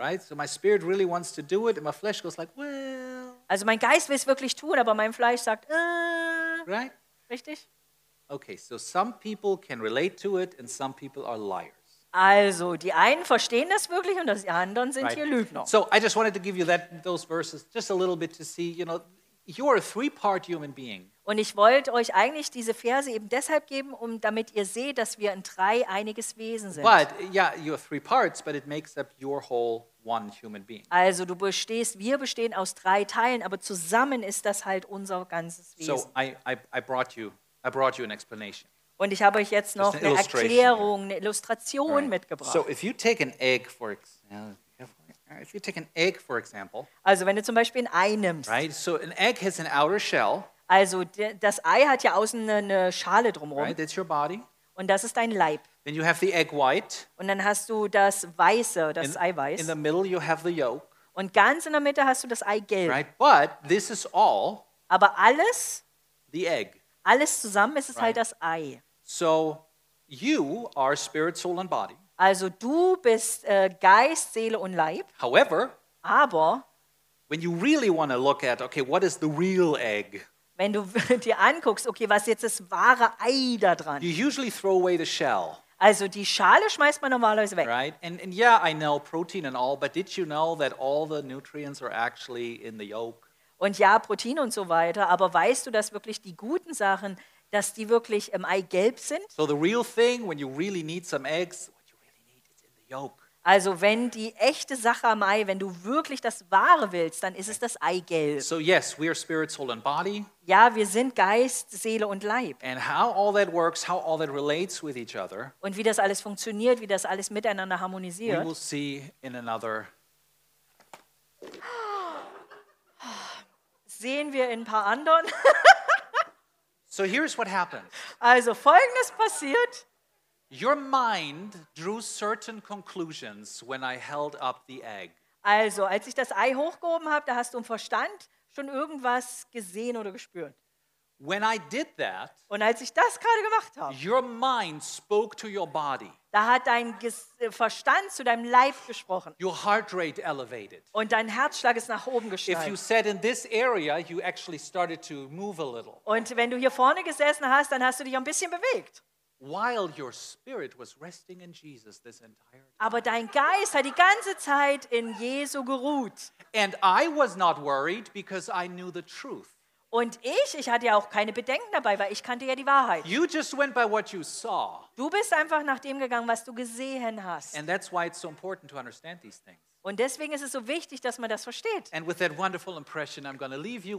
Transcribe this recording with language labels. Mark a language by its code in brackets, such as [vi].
[en] Right, so my spirit really wants to do it, and my flesh goes like, well. [de] Also mein Geist will es wirklich tun, aber mein Fleisch sagt, [en] Right, [de] richtig? [en] Okay, so some people can relate to it, and some people are liars. [de] Also die einen verstehen das wirklich, und die anderen sind right. Hier Lügner. [en] So I just wanted to give you those verses just a little bit to see, you know. You are a three-part human being. [de] Und ich wollte euch eigentlich diese Verse eben deshalb geben, um damit ihr seht, dass wir ein dreieiniges Wesen sind. [en] But yeah, you are three parts, but it makes up your whole one human being. [de] Also wir bestehen aus drei Teilen, aber zusammen ist das halt unser ganzes Wesen. [en] So I brought you an explanation. [de] Und ich habe euch jetzt noch eine Erklärung, eine Illustration mitgebracht. [en] So if you take an egg for example. If you take an egg, for example. [de] Also wenn du zum Beispiel ein Ei nimmst. [en] Right, so an egg has an outer shell. [de] Also das Ei hat ja außen eine Schale drumherum. [en] Right, that's your body. [de] Und das ist dein Leib. [en] Then you have the egg white. [de] Und dann hast du das Weiße, das Eiweiß. [en] In the middle you have the yolk. [de] Und ganz in der Mitte hast du das Eigelb. [en] Right, but this is all. [de] Aber alles. [en] The egg. [de] Alles zusammen ist es right. Halt das Ei. [en] So you are spirit, soul and body. [de] Also du bist Geist, Seele und Leib. [en] However, [de] aber [en] when you really want to look at, okay, what is the real egg? [de] Wenn du dir anguckst, okay, was jetzt das wahre Ei da dran? [en] You usually throw away the shell. [de] Also die Schale schmeißt man normalerweise weg. [en] Right? And yeah, I know protein and all, but did you know that all the nutrients are actually in the yolk? [de] Und ja, Protein und so weiter, aber weißt du, dass wirklich die guten Sachen, dass die wirklich im Eigelb sind? [en] So the real thing when you really need some eggs, yolk. [de] Also wenn die echte Sache am Ei, wenn du wirklich das Wahre willst, dann ist es das Eigelb. [en] So yes, we are spirit, soul and body. [de] Ja, wir sind Geist, Seele und Leib. [en] And how all that works, how all that relates with each other. [de] Und wie das alles funktioniert, wie das alles miteinander harmonisiert. [en] We will see in another. [de] Sehen wir in ein paar anderen. [en] So here's what happened. [de] Also Folgendes passiert. [en] Your mind drew certain conclusions when I held up the egg. [de] Also, als ich das Ei hochgehoben habe, da hast du im Verstand schon irgendwas gesehen oder gespürt. [en] When I did that, [de] und als ich das gerade gemacht habe, [en] your mind spoke to your body. [de] Da hat dein Verstand zu deinem Leib gesprochen. [en] Your heart rate elevated. [de] Und dein Herzschlag ist nach oben gestiegen. [en] If you sat in this area, you actually started to move a little. [de] Und wenn du hier vorne gesessen hast, dann hast du dich ein bisschen bewegt. [en] While your spirit was resting in Jesus this entire time. [de] Aber dein Geist hat die ganze Zeit in Jesu geruht. [en] And I was not worried because I knew the truth. [de] Und ich hatte ja auch keine Bedenken dabei, weil ich kannte ja die Wahrheit. [en] You just went by what you saw. [de] Du bist einfach nach dem gegangen, was du gesehen hast. [en] And that's why it's so important to understand these things. [de] Und deswegen ist es so wichtig, dass man das versteht. [en] And with that wonderful impression, I'm going to leave you.